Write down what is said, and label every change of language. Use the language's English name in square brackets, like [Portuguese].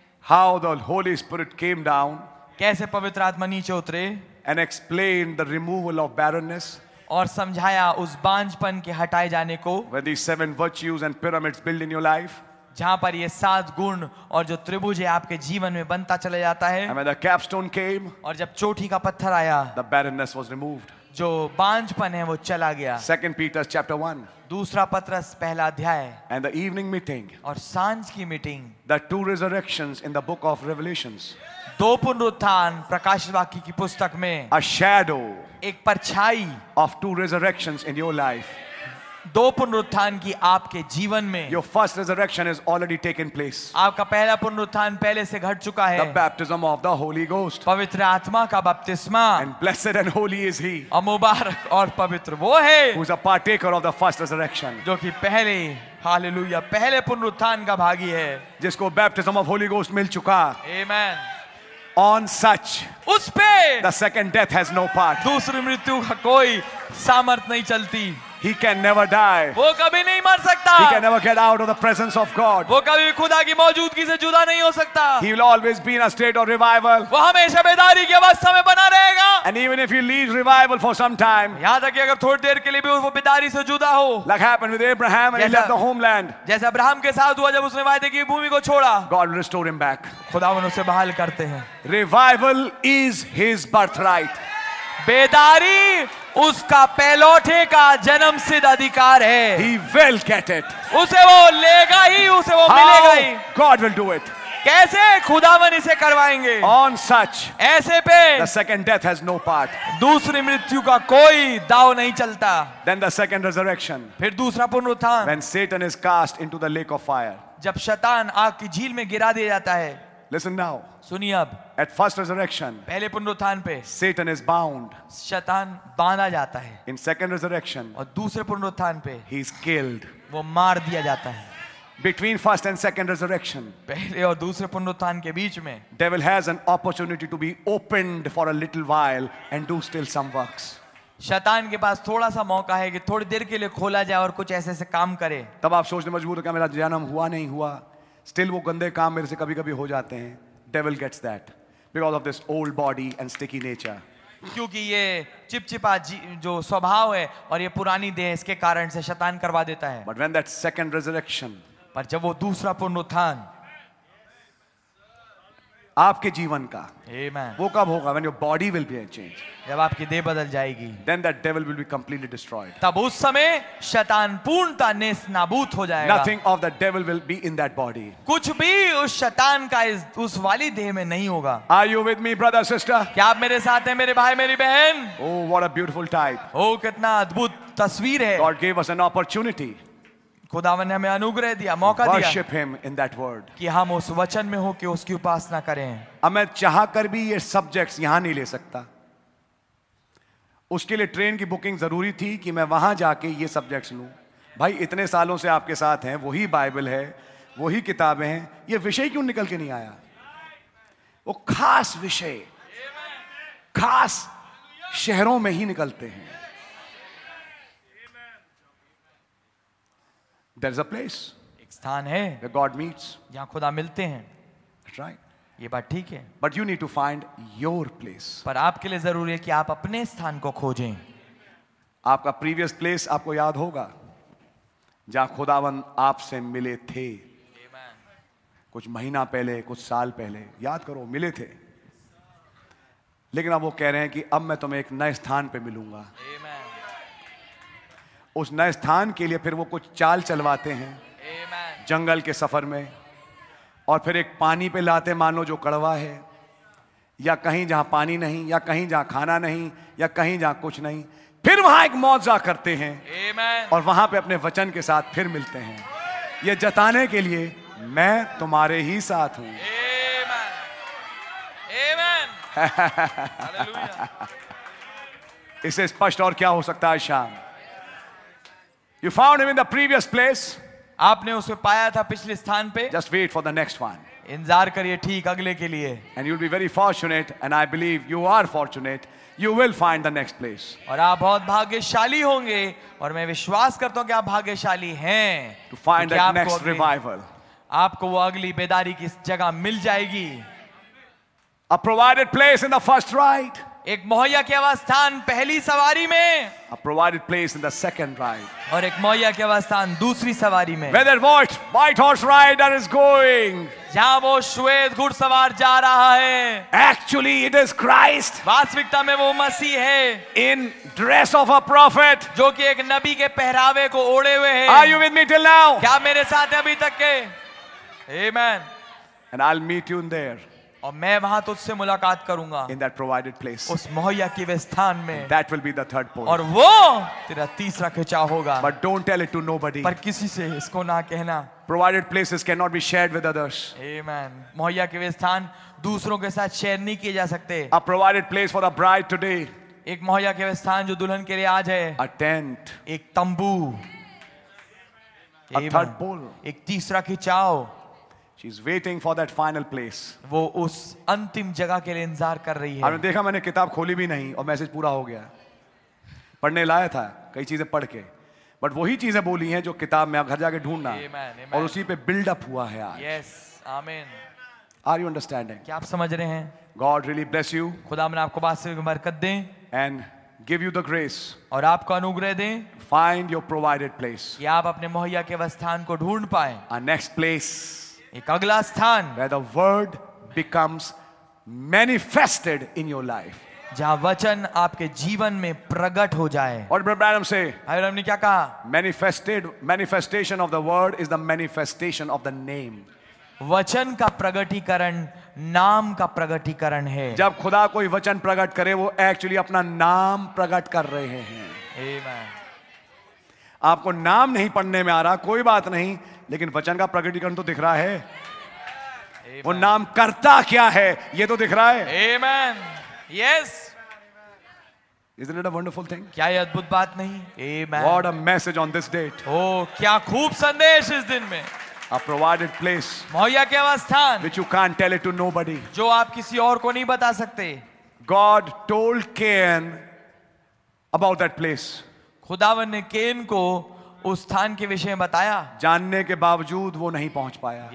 [English] How the Holy Spirit came down, [Hindi] कैसे पवित्र आत्मा नीचे उतरे, [English] and explained the removal of barrenness, [Hindi] और समझाया उस बांझपन के हटाए जाने को. [English] When these 7 virtues and pyramids build in your life, [Hindi] जहां पर ये 7 गुण और जो त्रिभुज है आपके जीवन में बनता चला जाता है. [English] And when the capstone came, [Hindi] और जब चोटी का पत्थर आया, [English] the barrenness was removed, [Hindi] जो बांझपन है वो चला गया. [English] 2 Peter chapter 1, [Hindi] दूसरा पत्रस पहला अध्याय, [English] and the evening meeting, [Hindi] और सांझ की meeting, [English] the 2 resurrections in the book of Revelations, [Hindi] दो पुनरुत्थान प्रकाशित वाक्य की पुस्तक में, [English] a shadow, [Hindi] एक परछाई, [English] of 2 resurrections in your life, [Hindi] दो पुनरुत्थान की आपके जीवन में. [English] Your first resurrection has already taken place, [Hindi] आपका पहला पुनरुत्थान पहले से घट चुका है. [English] The baptism of the Holy Ghost, [Hindi] पवित्र आत्मा का बपतिस्मा. [English] And blessed and holy is he, [Hindi] और मुबारक और पवित्र वो है, [English] who is a partaker of the first resurrection, [Hindi] जो कि पहले, हालेलुया, पहले पुनरुत्थान का भागी है, जिसको [English] baptism of Holy Ghost [Hindi] मिल चुका. [English] Amen. On such, [Hindi] उस पे, [English] the second death has no part, [Hindi] दूसरी मृत्यु का कोई सामर्थ नहीं चलती. [English] He can never die. [Hindi] वो कभी नहीं मर सकता. [English] He can never get out of the presence of God. [Hindi] वो कभी खुदा की मौजूदगी से जुदा नहीं हो सकता. [English] He will always be in a state of revival. [Hindi] वो हमेशा बेदारी की अवस्था में बना रहेगा. [English] And even if he leaves revival for some time. [Hindi] यहाँ तक कि अगर थोड़ी देर के लिए भी वो बेदारी से जुदा हो. [English] Like happened with Abraham when he left the homeland. [Hindi] जैसे अब्राहम के साथ हुआ जब उसने वायदे की भूमि को छोड़ा. [English] God will restore him back. [Hindi] खुदा उसे बहाल करते हैं. [English] Revival is his birthright. [Hindi] बेदारी उसका पहलौठे का जन्म सिद्ध अधिकार है. [English] He will get it. [Hindi] उसे वो लेगा ही, उसे वो [English] How [Hindi] मिलेगा ही. [English] God will do it. [Hindi] कैसे? खुदावन इसे करवाएंगे. [English] On such, [Hindi] ऐसे पे, [English] the second death has no part. [Hindi] दूसरी मृत्यु का कोई दाव नहीं चलता. [English] Then the second resurrection. [Hindi] फिर दूसरा पुनरुत्थान. [English] When Satan is cast into the lake of fire. [Hindi] जब शैतान आग की झील में गिरा दिया जाता है. [English] Listen now. [Hindi] सुनिए अब. [English] At first resurrection, [Hindi] पहले पुनरुत्थान पे, [English] Satan is bound. [Hindi] शैतान बांधा जाता है. [English] In second resurrection, [Hindi] और दूसरे पुनरुत्थान पे, [English] he is killed. [Hindi] वो मार दिया जाता है. [English] Between first and second resurrection, [Hindi] पहले और दूसरे पुनरुत्थान के बीच में, [English] devil has an opportunity to be opened for a little while and do still some works. [Hindi] शैतान के पास थोड़ा सा मौका है कि थोड़ी देर के लिए खोला जाए और कुछ ऐसे ऐसे काम करे. तब आप सोचने मजबूर हो, क्या मेरा जन्म हुआ नहीं हुआ? [English] Still, [Hindi] वो गंदे काम मेरे से कभी कभी हो जाते हैं. [English] Devil gets that because of this old body and sticky nature. [Hindi] क्योंकि ये चिपचिपा जो स्वभाव है और ये पुरानी देह, इसके कारण से शैतान करवा देता है. [English] But when that second resurrection, [Hindi] पर जब वो दूसरा पुनरुत्थान आपके जीवन का, [English] Amen. [Hindi] वो कब होगा? [English] When your body will be changed. [Hindi] जब आपकी देह बदल जाएगी. [English] Then that devil will be completely destroyed. [Hindi] तब उस समय शैतान पूर्णतः नेस्त नाबूत हो जाएगा. [English] Nothing of the devil will be in that body. [Hindi] कुछ भी उस शैतान का उस वाली देह में नहीं होगा. [English] Are you with me, brother, sister? [Hindi] क्या आप मेरे साथ हैं, मेरे भाई, मेरी बहन? [English] Oh, what a beautiful type. [Hindi] Oh, कितना अद्भुत तस्वीर है. [English] God gave us an opportunity. [Hindi] खुदावन ने हमें अनुग्रह दिया, मौका दिया. [English] Worship him in that word. [Hindi] कि हम उस वचन में हो, कि उसकी उपासना करें. अब मैं चाहकर भी ये सब्जेक्ट्स यहां नहीं ले सकता. उसके लिए ट्रेन की बुकिंग जरूरी थी कि मैं वहां जाके ये सब्जेक्ट्स लूं. भाई, इतने सालों से आपके साथ हैं, वही बाइबल है, वही किताबें हैं, ये विषय क्यों निकल के नहीं आया? वो खास विषय खास शहरों में ही निकलते हैं. [English] There's a place. [Hindi] एक स्थान है. [English] Where God meets. [Hindi] जहाँ खुदा मिलते हैं. [English] That's right. [Hindi] ये बात ठीक है. [English] But you need to find your place. [Hindi] पर आपके लिए जरूरी है कि आप अपने स्थान को खोजें. आपका [English] previous place [Hindi] आपको याद होगा, जहाँ खुदावन आपसे मिले थे. [English] Amen. [Hindi] कुछ महीना पहले, कुछ साल पहले, याद करो, मिले थे. लेकिन अब वो कह रहे हैं कि अब मैं तुम्हें एक नए स्थान पे मिलूंगा. [English] Amen. [Hindi] उस नए स्थान के लिए फिर वो कुछ चाल चलवाते हैं. [English] Amen. [Hindi] जंगल के सफर में, और फिर एक पानी पे लाते, मानो जो कड़वा है, या कहीं जहां पानी नहीं, या कहीं जहां खाना नहीं, या कहीं जहां कुछ नहीं, फिर वहां एक मौजा करते हैं. [English] Amen. [Hindi] और वहां पे अपने वचन के साथ फिर मिलते हैं, ये जताने के लिए मैं तुम्हारे ही साथ हूं. [English] Amen. Amen. [Hindi] इसे स्पष्ट और क्या हो सकता है? शाम [English] You found him in the previous place. [Hindi] आपने उसे पाया था पिछले स्थान पे. [English] Just wait for the next one. [Hindi] इंतजार करिए ठीक अगले के लिए. [English] And you'll be very fortunate, and I believe you are fortunate. You will find the next place. [Hindi] और आप बहुत भाग्यशाली होंगे, और मैं विश्वास करता हूँ कि आप भाग्यशाली हैं. [English] To find that next revival. [Hindi] आपको वो अगली बेदारी की जगह मिल जाएगी. [English] A provided place in the first ride. [Hindi] एक मोहिया के अवस्थान पहली सवारी में. [English] A provided place in the second ride. [Hindi] और एक मोहिया के अवस्थान दूसरी सवारी में. [English] Whether white horse rider is going. [Hindi] जहां वो श्वेत घुड़सवार जा रहा है. [English] Actually, it is Christ. [Hindi] वास्तविकता में वो मसीह है. [English] In dress of a prophet. [Hindi] जो कि एक नबी के पहरावे को ओढ़े हुए है. [English] Are you with me till now? [Hindi] क्या मेरे साथ है अभी तक के? [English] Amen. And I'll meet you in there. [Hindi] और मैं वहां तुझसे मुलाकात करूंगा. [English] In that provided place. [Hindi] उस मोहिया के स्थान में. [English] That will be the third point. [Hindi] और वो तेरा तीसरा खिंचाव होगा. [English] But don't tell it to nobody. [Hindi] पर किसी से इसको ना कहना. [English] Provided places cannot be shared with others. Amen. [Hindi] मोहिया के स्थान दूसरों के साथ शेयर नहीं किए जा सकते. [English] A provided place for the bride today. [Hindi] एक मोहिया के स्थान जो दुल्हन के लिए आज है. [English] A tent. [Hindi] एक तंबू. [English] Amen. A third pole. [Hindi] एक तीसरा खिंचाव. [English] She's waiting for that final place. [Hindi] वो उस अंतिम जगह के लिए इंतजार कर रही है. आपने देखा, मैंने किताब खोली भी नहीं और मैसेज पूरा हो गया. पढ़ने लाया था कई चीजें पढ़ के, बट वही चीजें बोली हैं जो किताब में आप घर जाके ढूंढना और उसी पे बिल्डअप हुआ है आज. [English] Yes, amen. Are you understanding? [Hindi] क्या आप समझ रहे हैं? [English] God really bless you. [Hindi] खुदा मैंने आपको बात से बरकत दे. [English] And give you the grace. [Hindi] और आपको अनुग्रह दे. [English] Find your provided place. [Hindi] कि आप अपने मुहैया के स्थान को ढूंढ पाए. [English] A next place. [Hindi] एक अगला स्थान. [English] Where the word becomes manifested in your life. [Hindi] जहां वचन आपके जीवन में प्रकट हो जाए. [English] What did Branham say? [Hindi] ब्रह्म ने क्या कहा? [English] Manifested manifestation of the word is the manifestation of the name. [Hindi] वचन का प्रगटीकरण नाम का प्रगटीकरण है. जब खुदा कोई वचन प्रकट करे वो एक्चुअली अपना नाम प्रकट कर रहे हैं. [English] Amen. [Hindi] आपको नाम नहीं पढ़ने में आ रहा कोई बात नहीं, लेकिन वचन का प्रगटीकरण तो दिख रहा है. [English] Amen. [Hindi] वो नाम करता क्या है ये तो दिख रहा है. [English] Amen. Yes. Isn't it a wonderful thing? [Hindi] क्या ये अद्भुत बात नहीं? Amen. [English] What a message on this date. [Hindi] Oh, क्या खूब संदेश इस दिन में. [English] A provided place. [Hindi] मुहैया के स्थान. [English] Which you can't tell it to nobody. [Hindi] जो आप किसी और को नहीं बता सकते. [English] God told Cain about that place. [Hindi] खुदावन ने केन को उस स्थान के विषय में बताया. जानने के बावजूद वो नहीं पहुंच पाया.